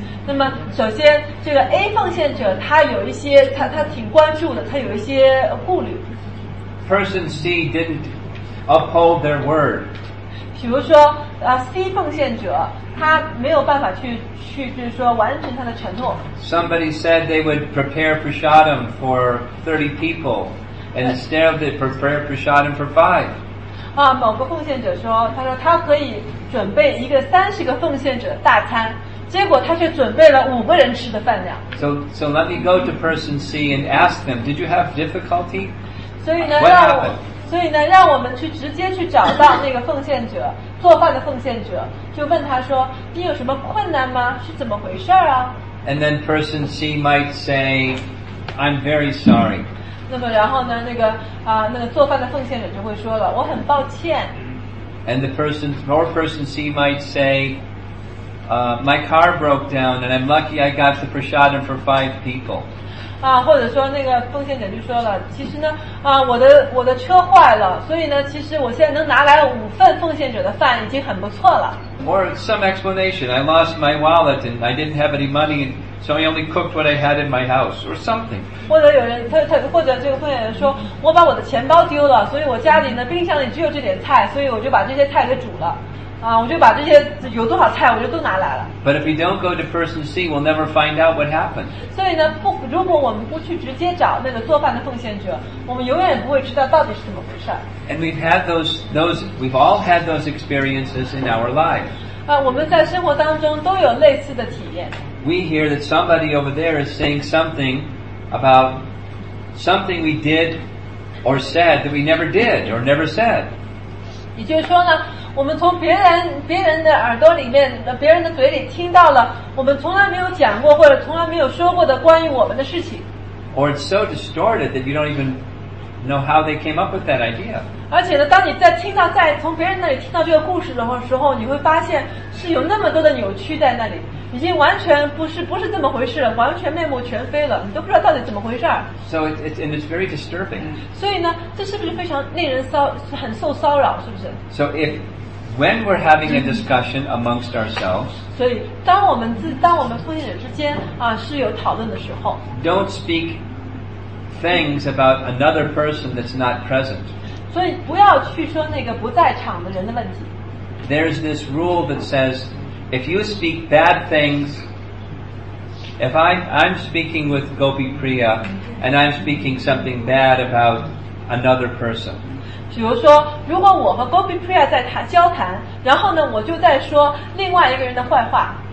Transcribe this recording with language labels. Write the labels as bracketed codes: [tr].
[zh] 那么首先这个 A 奉献者他有一些他挺关注的，他有一些顾虑。 [en] Person C didn't uphold their word. [zh] 比如说C 奉献者他没有办法去就是说完成他的承诺。 [en] Somebody said they would prepare prashadam for 30 people, and instead of they prepare prashadam for 5. [zh] 啊，某个奉献者说，他说他可以准备一个30个奉献者大餐，结果他却准备了5个人吃的饭量。 [en] So let me go to person C and ask them, did you have difficulty? [zh] 所以呢 [en] What happened? [zh] 所以呢，让我们去直接去找到那个奉献者，做饭的奉献者，就问他说：“你有什么困难吗？是怎么回事啊？” [en] And then person C might say, "I'm very sorry." [zh] 那么然后呢，那个啊，那个做饭的奉献者就会说了：“我很抱歉。” [en] And the person, or person C might say, "My car broke down, and I'm lucky I got the prashadam for 5 people." [zh] 或者说那个奉献者就说了，其实呢，我的车坏了，所以呢，其实我现在能拿来五份奉献者的饭已经很不错了。 [en] Or some explanation, I lost my wallet and I didn't have any money, so I only cooked what I had in my house, or something. [zh] 或者有人或者这个奉献者说，我把我的钱包丢了，所以我家里呢冰箱里只有这点菜，所以我就把这些菜给煮了。我就把这些有多少菜我就都拿来了。 [en] But if you don't go to person C, we'll never find out what happened. [zh] 所以呢，不，如果我们不去直接找那个做饭的奉献者，我们永远不会知道到底是怎么回事。 [en] And we've had we've all had those experiences in our lives. [zh] 我们在生活当中都有类似的体验。 [en] We hear that somebody over there is saying something about something we did or said that we never did or never said. [zh] 也就是说呢，我们从别人的耳朵里面，别人的嘴里听到了我们从来没有讲过或者从来没有说过的关于我们的事情。 [en] Or it's so distorted that you don't even know how they came up with that idea. [zh] 而且呢，当你在听到在从别人那里听到这个故事的时候，你会发现是有那么多的扭曲在那里，已经完全不是这么回事了，完全面目全非了，你都不知道到底怎么回事。 [en] So it's very disturbing. [zh] 所以呢，这是不是非常令人很受骚扰，是不是 [en] ？So if when we're having a discussion amongst ourselves, [zh] 所以当我们奉献者之间是有讨论的时候 [en] ，don't speak things about another person that's not present. [zh] 所以不要去说那个不在场的人的问题。 [en] There's this rule that says. If you speak bad things, if I'm speaking with Gopi Priya, and I'm speaking something bad about another person. [zh] 比如说，如果我和 Gopi Priya 在交谈，然后呢，我就在说另外一个人的坏话。